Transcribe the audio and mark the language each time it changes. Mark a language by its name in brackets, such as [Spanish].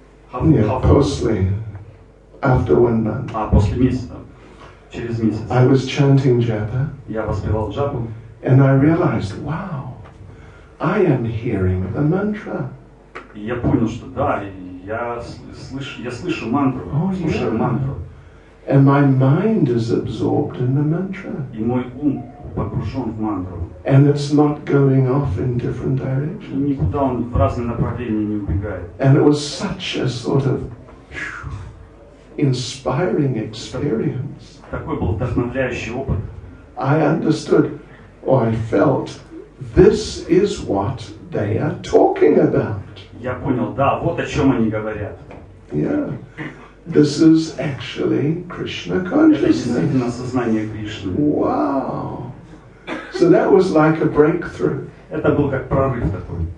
[Russian] После. [English] After 1 month. [Russian] А после месяца. Через месяц. [English] I was chanting japa. [Russian] Я воспевал джапу. [English] And I realized, wow. I am hearing the mantra. [Russian] Я понял, что да, я слышу мантру. Слушаю мантру. [English] And my mind is absorbed in the mantra. [Russian] И мой ум погружен в мантру. [English] And it's not going off in different directions. [Russian] Никуда он в разные направления не убегает. [English] And it was such a sort of inspiring experience. [Russian] Такой был вдохновляющий опыт. [English] I understood, or I felt, this is what they are talking about. [Russian] Я понял, да, вот о чем они говорят. [English] Yeah. This is actually Krishna consciousness. [Russian] Это действительно сознание Кришны. [English] Wow. So that was like a breakthrough. [Russian] Это был как прорыв такой.